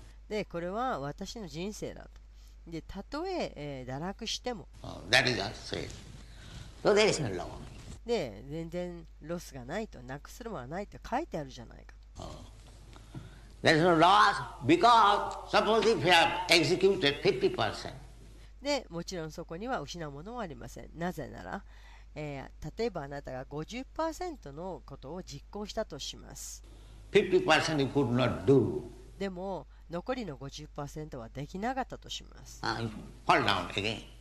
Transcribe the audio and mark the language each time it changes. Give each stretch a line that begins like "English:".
Japanese: で、これは私の人生だと。で、たとえ、堕落しても。
English: That is our sin. So there is no loss.
Japanese: で、全然ロスがないと、なくするものはないと書いてあるじゃないかと。
English: There is no loss because suppose if you have executed 50%.
Japanese: でもちろんそこには失うものはありません。なぜなら、例えばあなたが 50% のことを実行したとします。
English: 50% you could not do.
Japanese: でも残りの 50% はできなかったとします。
English: Fall down again.